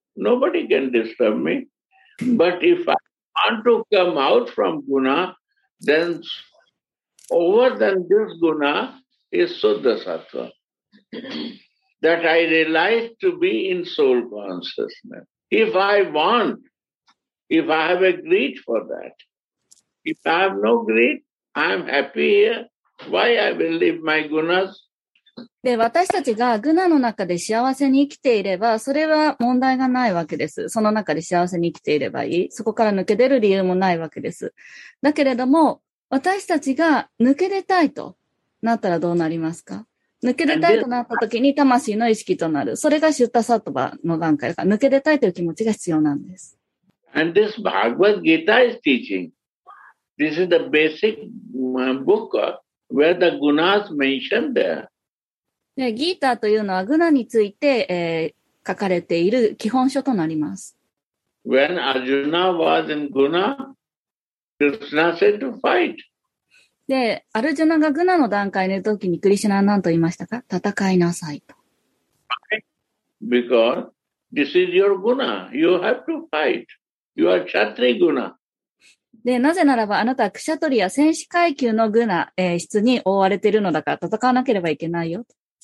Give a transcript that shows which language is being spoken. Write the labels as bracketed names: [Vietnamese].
[English] Nobody can disturb me. But if I want to come out from guna, then over than this guna is Shuddha Sattva. That I realize to be in soul consciousness. If I want, if I have a greed for that, if I have no greed, I'm happy here. Why I will leave my gunas? [Japanese] で、私たちがグナの中で幸せに生きていれば、それは問題がないわけです。その中で幸せに生きていればいい。そこから抜け出る理由もないわけです。だけれども、私たちが抜け出たいとなったらどうなりますか？抜け出たいとなった時に魂の意識となる。それがシュッタサトバの段階か。抜け出たいという気持ちが必要なんです。 [English] And this Bhagavad Gita is teaching. This is the basic book where the gunas mentioned there. [Japanese] ギーターというのはグナについて、書かれている基本書となります。 [English] When Arjuna was in Guna, Krishna said to fight. [Japanese] で、アルジュナがグナの段階の時にクリシュナは何と言いましたか？戦いなさいと。 [English] Because this is your guna. You have to fight. You are Kshatri guna. [Japanese] で、なぜならばあなたはクシャトリア戦士階級のグナ、質に覆われているのだから戦わなければいけないよと。